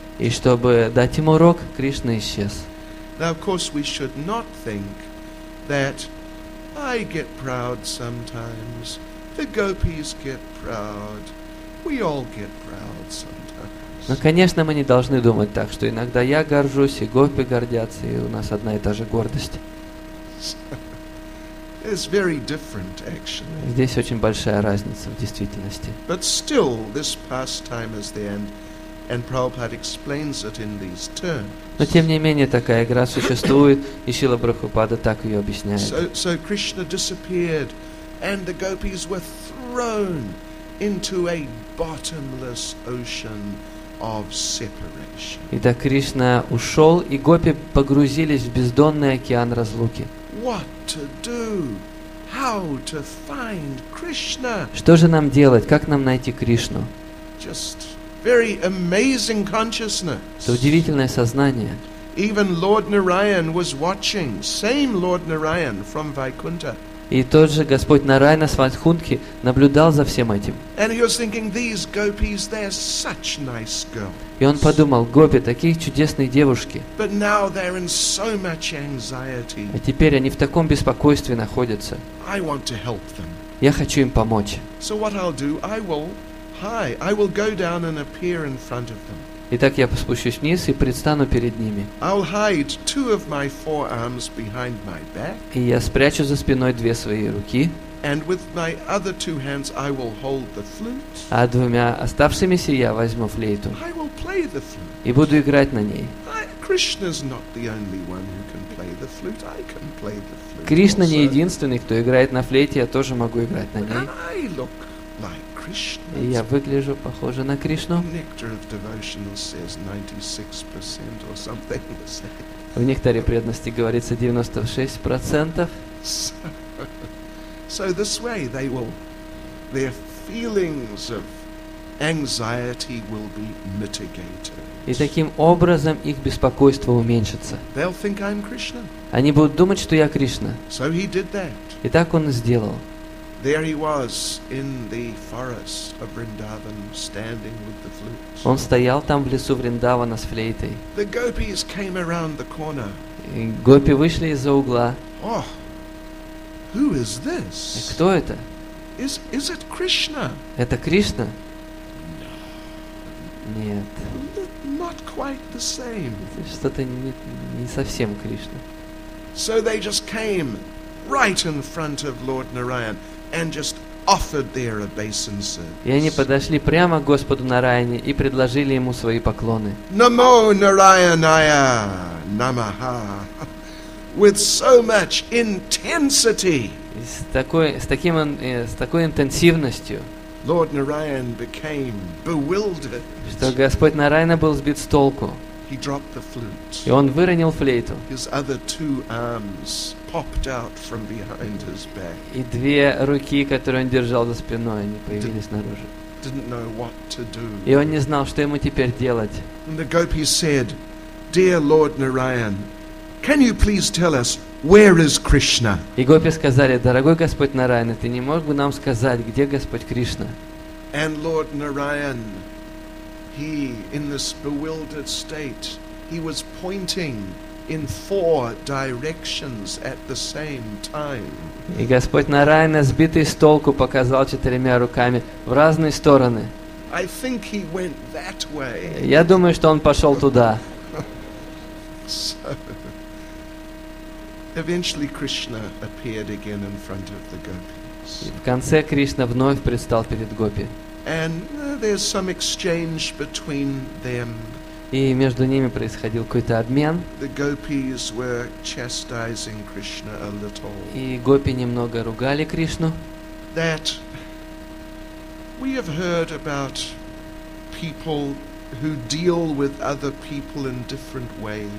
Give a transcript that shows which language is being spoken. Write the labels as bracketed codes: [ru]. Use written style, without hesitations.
[ru] И чтобы дать им урок, Кришна исчез. [en] Now, of course, we should not think that I get proud sometimes, the gopis get proud, we all get proud sometimes. [ru] Но, конечно, мы не должны думать так, что иногда я горжусь, и гопи гордятся, и у нас одна и та же гордость. [en] It's very different, actually. [ru] Здесь очень большая разница в действительности. [en] But still, this pastime is there, and And Prabhupada explains it in these terms. [ru] Но тем не менее такая игра существует, и Шрила Прабхупада так ее объясняет. [en] So Krishna disappeared, and the gopis were thrown into a bottomless ocean of separation. [ru] И так Кришна ушел, и гопи погрузились в бездонный океан разлуки. [en] What to do? How to find Krishna? [ru] Что же нам делать? Как нам найти Кришну? [en] Just very amazing consciousness. [ru] Это удивительное сознание. [en] Even Lord Narayan was watching. Same Lord Narayan from Vaikuntha. [ru] И тот же Господь Нарайна с Вайкунтхи наблюдал за всем этим. [en] And he was thinking, these gopis, they're such nice girls. [ru] И он подумал, гопи, такие чудесные девушки. [en] But now they're in so much anxiety. [ru] А теперь они в таком беспокойстве находятся. [en] I want to help them. [ru] Я хочу им помочь. [en] So what I'll do, I will go down and appear in front of them. [ru] Итак, я спущусь вниз и предстану перед ними. [en] I'll hide two of my forearms behind my back. [ru] И я спрячу за спиной две свои руки. [en] And with my other two hands I will hold the flute. [ru] А двумя оставшимися я возьму флейту. [en] I will play the flute. [ru] И буду играть на ней. [en] Krishna's not the only one who can play the flute. I can play the flute. [ru] Кришна не единственный, кто играет на флейте, я тоже могу играть на ней. [en] I look like Krishna. [ru] И я выгляжу похоже на Кришну. [en] Nectar of devotional says 96% or something. [ru] В нектаре преданности говорится 96%. [en] So this way they will, their feelings of anxiety will be mitigated. [ru] И таким образом их беспокойство уменьшится. [en] They'll think I'm Krishna. [ru] Они будут думать, что я Кришна. [en] So he did that. [ru] И так он и сделал. [en] There he was in the forest of Vrindavan, standing with the flute. [ru] Он стоял там в лесу Вриндавана с флейтой. [en] The gopis came around the corner. [ru] И гопи вышли из-за угла. [en] Oh, who is this? [ru] Кто это? [en] Is it Krishna? [ru] Это Кришна? [en] No. [ru] Нет. [en] Not quite the same. [ru] Что-то не совсем Кришна. [en] So they just came right in front of Lord Narayan and just offered their obeisances. [ru] И они подошли прямо к Господу Нараяне и предложили ему свои поклоны. [sa] Namo Narayanaya Namaha. [en] With so much intensity. [ru] С такой интенсивностью. [en] Lord Narayan became bewildered. [ru] Что Господь Нарайна был сбит с толку. [en] He dropped the flute. [ru] И он выронил флейту. [en] His other two arms popped out from behind his back. [ru] И две руки, которые он держал за спиной, они появились наружу. [en] Didn't know what to do. [ru] И он не знал, что ему теперь делать. [en] And the gopi said, "Dear Lord Narayan, can you please tell us where is Krishna?" [ru] И гопи сказали: "Дорогой Господь Нарайна, ты не мог бы нам сказать, где Господь Кришна?" [en] And Lord Narayan, he in this bewildered state, he was pointing in four directions at the same time. [ru] И Господь Нарайна, сбитый с толку, показал четырьмя руками в разные стороны. [en] I think he went that way. [ru] Я думаю, что он пошел туда. [en] Eventually Krishna appeared again in front of the gopis. [ru] В конце Кришна вновь предстал перед гопи. [en] And there's some exchange between them. [ru] И между ними происходил какой-то обмен. [en] The gopis were chastising Krishna a little. [ru] И гопи немного ругали Кришну. [en] That we have heard about people who deal with other people in different ways.